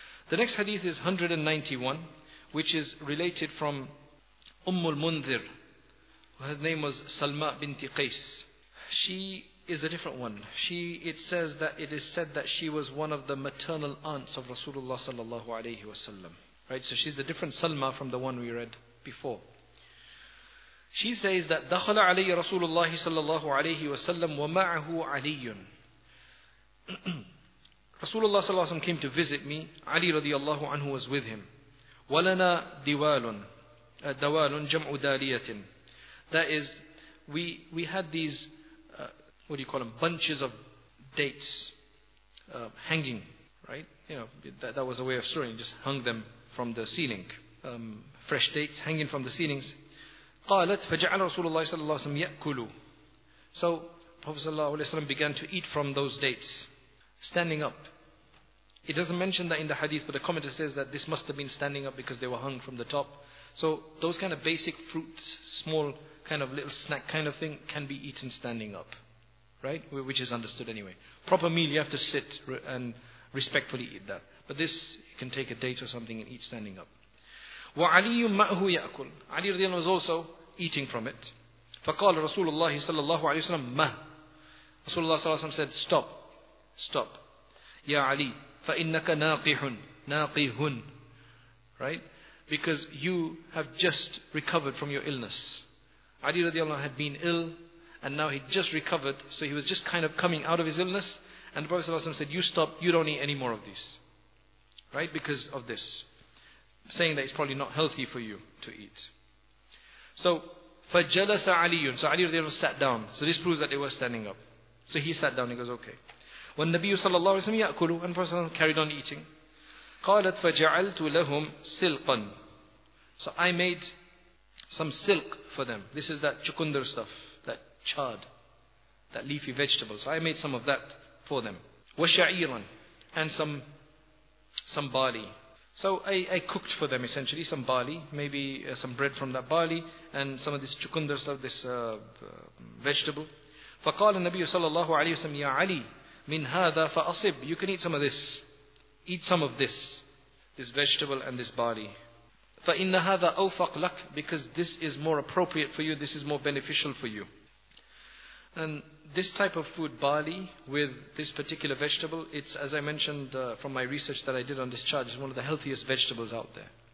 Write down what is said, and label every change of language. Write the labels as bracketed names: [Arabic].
[English] The next hadith is 191, which is related from Ummul Mundhir. Her name was Salma binti Qais. She is a different one. It is said that she was one of the maternal aunts of Rasulullah sallallahu alayhi wa sallam. Right, so she's a different Salma from the one we read before. She says that [Arabic] دخل علي رسول الله صلى الله عليه وسلم ومعه علي. رسول الله صلى الله عليه وسلم [English] came to visit me. [Arabic] علي رضي الله عنه [English] was with him. [Arabic] ولنا دوال دوال جمع دالية. [English] That is, we had these what do you call them, bunches of dates hanging, right? You know, that was a way of storing, just hung them from the ceiling. Fresh dates hanging from the ceilings. [Arabic] قالت فجعل رسول الله صلى الله عليه وسلم يأكل. [English] So Prophet صلى الله عليه وسلم began to eat from those dates, standing up. It doesn't mention that in the hadith, but the commentator says that this must have been standing up because they were hung from the top. So those kind of basic fruits, small kind of little snack kind of thing, can be eaten standing up, right? Which is understood anyway. Proper meal, you have to sit and respectfully eat that. But this, you can take a date or something and eat standing up. [Arabic] وَعَلِيُّ مَأْهُ يَأْكُلْ [English] Ali رضي الله was also eating from it. [Arabic] فَقَالَ رَسُولُ اللَّهِ صَلَّى اللَّهُ عَلَيْهِ وَسَلَمْ مَهْ رسول الله صلى الله عليه وسلم [English] said, stop, stop. [Arabic] يَا عَلِي فَإِنَّكَ نَاقِحٌ نَاقِهٌ [English] Right? Because you have just recovered from your illness. Ali رضي الله had been ill, and now he just recovered, so he was just kind of coming out of his illness, and the Prophet صلى الله عليه وسلم said, you stop, you don't eat any more of these. Right? Because of this. Saying that it's probably not healthy for you to eat. So, [Arabic] فَجَلَسَ عَلِيٌّ [English] So Ali sat down. So this proves that they were standing up. So he sat down, he goes, okay. When Nabiyyu sallallahu alayhi wa sallam ya'kulu, and Prophet sallallahu carried on eating. [Arabic] قَالَتْ فَجَعَلْتُ لَهُمْ سِلْقًا [English] So I made some silk for them. This is that chukundar stuff, that chard, that leafy vegetable. So I made some of that for them. [Arabic] وَشَعِيرًا [English] And some barley. So I cooked for them essentially some barley, maybe some bread from that barley, and some of this chukundar stuff, this vegetable. [Arabic] فَقَالَ النَّبِيُّ صَلَى اللَّهُ عَلَيْهِ وَسَلَّمْ يَا عَلِي مِنْ هَذَا فَأَصِبْ [English] You can eat some of this. Eat some of this. This vegetable and this barley. [Arabic] فَإِنَّ هَذَا أَوْفَقْ لَكْ [English] Because this is more appropriate for you, this is more beneficial for you. And this type of food, barley, with this particular vegetable, it's, as I mentioned from my research that I did on this chard, it's one of the healthiest vegetables out there.